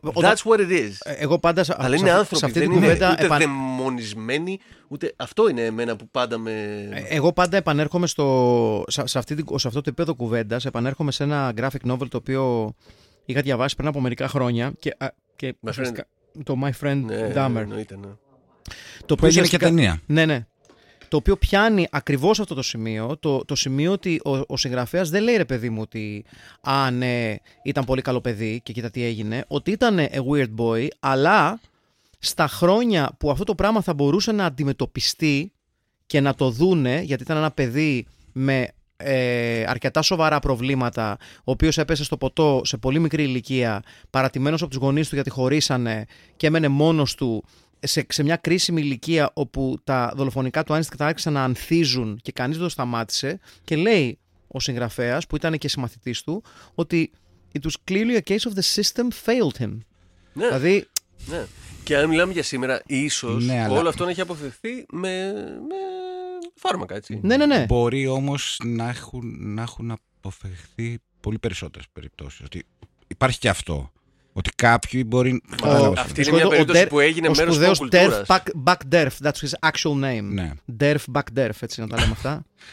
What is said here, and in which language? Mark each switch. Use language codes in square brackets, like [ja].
[en] That's what it is. [el] Εγώ πάντα. Αλλά είναι άνθρωποι. Αυτή δεν είναι ούτε δαιμονισμένοι. Ούτε αυτό είναι εμένα που πάντα με. Εγώ πάντα επανέρχομαι στο. Σε αυτό το επίπεδο κουβέντα. Επανέρχομαι σε ένα graphic novel το οποίο είχα διαβάσει πριν από μερικά χρόνια. Και το My Friend Dahmer. Το οποίο είναι και ταινία. Ναι, ναι. Το οποίο πιάνει ακριβώς αυτό το σημείο, το σημείο ότι ο συγγραφέας δεν λέει, ρε παιδί μου, ότι α, ναι, ήταν πολύ καλό παιδί και κοίτα τι έγινε, ότι ήταν [en] a weird boy, [el] αλλά στα χρόνια που αυτό το πράγμα θα μπορούσε να αντιμετωπιστεί και να το δούνε, γιατί ήταν ένα παιδί με αρκετά σοβαρά προβλήματα, ο οποίος έπεσε στο ποτό σε πολύ μικρή ηλικία, παρατημένος από τους γονείς του γιατί χωρίσανε και έμενε μόνος του, σε μια κρίσιμη ηλικία όπου τα δολοφονικά του ένστικτα άρχισαν να ανθίζουν και κανείς δεν το σταμάτησε και λέει ο συγγραφέας που ήταν και συμμαθητής του ότι [en] it was clearly a case of the system failed him. [el] Ναι, δηλαδή, ναι. Και αν μιλάμε για σήμερα ίσως ναι, όλο αλλά αυτό να έχει αποφευθεί με φάρμακα, έτσι. Ναι, ναι, ναι. Μπορεί όμως να έχουν αποφευθεί πολύ περισσότερες περιπτώσεις, ότι υπάρχει και αυτό. Ότι κάποιοι μπορεί. Αυτή είναι μια περίπτωση που έγινε μέρος του κουλτούρας. Ο σπουδαίος Derf Back Derf, [en] that's his actual name. [el] Ναι. Derf Back Derf, έτσι να τα λέμε αυτά.